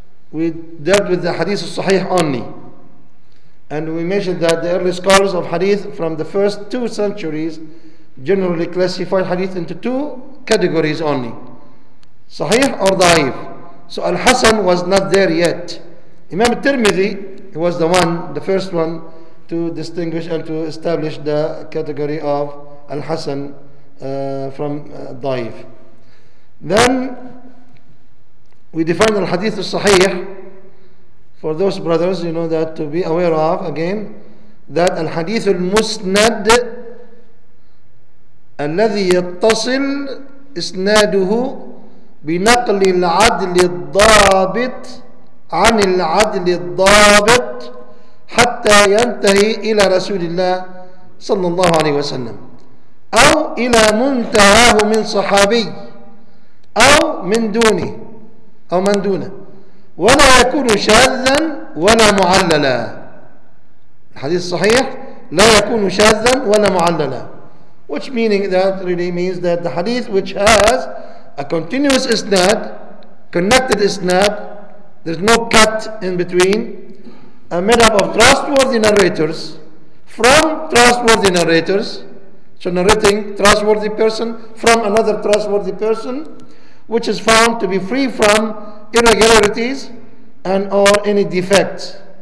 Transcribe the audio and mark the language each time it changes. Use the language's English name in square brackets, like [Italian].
[English] we dealt with the hadith al-sahih only. And we mentioned that the early scholars of hadith from the first two centuries generally classified hadith into two categories only. Sahih or da'if. So al-Hasan was not there yet. Imam al-Tirmidhi was the one, the first one, to distinguish and to establish the category of al-Hasan from da'if. Then we define al-hadith al-sahih for those brothers, you know, that to be aware of again, that al-hadith al-musnad [Arabic] الذي يتصل إسناده بنقل العدل الضابط عن العدل الضابط حتى ينتهي إلى رسول الله صلى الله عليه وسلم أو إلى منتهاه من صحابي أو من دونه أو من دونه ولا يكون شاذا ولا معللا. الحديث الصحيح لا يكون شاذا ولا معللا. [English] Which meaning that really means that the hadith which has a continuous isnad, connected isnad, there's no cut in between, and made up of trustworthy narrators, from trustworthy narrators, so narrating trustworthy person from another trustworthy person, which is found to be free from irregularities and or any defects.